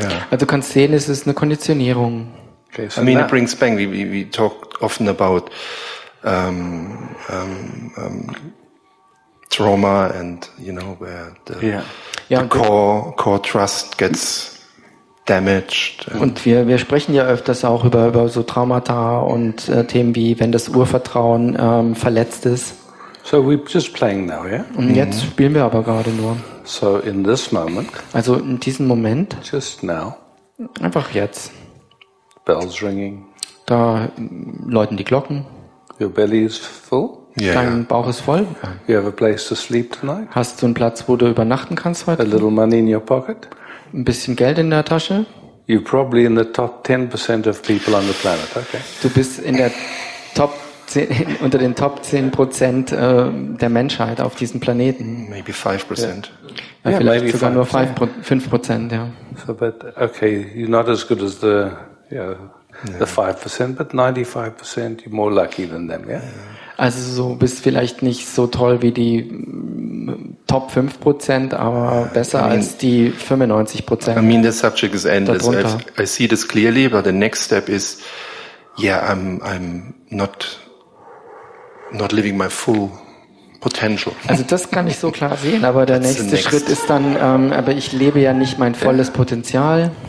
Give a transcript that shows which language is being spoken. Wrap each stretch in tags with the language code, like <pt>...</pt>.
<de>Also du kannst sehen, es ist eine Konditionierung.</de> <en>Okay, so I mean it brings back we talk often about trauma and you know where the core trust gets damaged.</en> <de>Und wir sprechen ja öfters auch über so Traumata und Themen wie wenn das Urvertrauen verletzt ist.</de> <en>So we're just playing now, yeah?</en> <de>Und jetzt spielen wir aber gerade nur.</de> <en>So in this moment.</en> <de>Also in diesem Moment.</de> <en>Just now.</en> <de>Einfach jetzt.</de> <en>Bells ringing.</en> <de>Da läuten die Glocken.</de> <en>Your belly is full.</en> <de>Yeah. Dein Bauch ist voll.</de> <en>You have a place to sleep tonight?</en> <de>Hast du einen Platz, wo du übernachten kannst heute?</de> <en>A little money in your pocket?</en> <de>Ein bisschen Geld in der Tasche?</de> <en>You're probably in the top 10% of people on the planet. Okay.</en> <de>Du bist in der Top 10, unter den Top 10% der Menschheit auf diesem Planeten.</de> <en>Maybe 5%.</en> <de>Yeah. Ja, vielleicht maybe sogar 5%. Nur 5%, ja.</de> <en>So, but okay, you're not as good as the the 5%, but 95%, you're more lucky than them, yeah?</en> <de>Also so bist vielleicht nicht so toll wie die Top 5%, aber besser als die 95%.</de> <en>I mean, the subject is endless. I see this clearly, but the next step is, yeah, I'm not living my full potential.</en> <de>Also das kann ich so klar sehen, aber der nächste Schritt ist dann, aber ich lebe ja nicht mein volles Potenzial.</de>